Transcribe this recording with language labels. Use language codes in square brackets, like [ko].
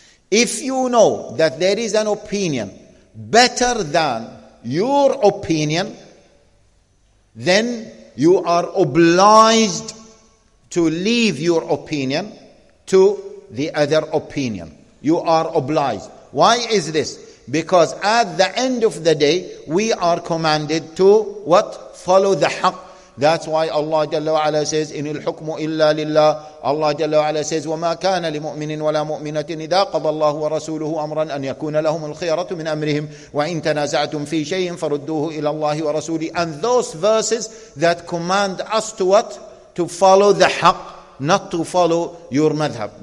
[en] If you know that there is an opinion better than your opinion, then you are obliged to leave your opinion to the other opinion. You are obliged. Why is this? Because at the end of the day, we are commanded to what? Follow the haqq. That's why Allah Jalla wa Ala says, [ar] إِنِ الْحُكْمُ إِلَّا لِلَّهِ. [en] Allah Jalla wa Ala says, [ar] وَمَا كَانَ لِمُؤْمِنٍ وَلَا مُؤْمِنَةٍ إِذَا قَضَى اللَّهُ وَرَسُولُهُ أَمْرًا أَنْ يَكُونَ لَهُمُ الْخِيَرَةُ مِنْ أَمْرِهِمْ وَإِنْ تَنَازَعْتُمْ فِي شَيْءٍ فَرُدُّوهُ إِلَى اللَّهِ وَرَسُولِهِ. [en] And those verses that command us to what? To follow the haqq, not to follow your madhab.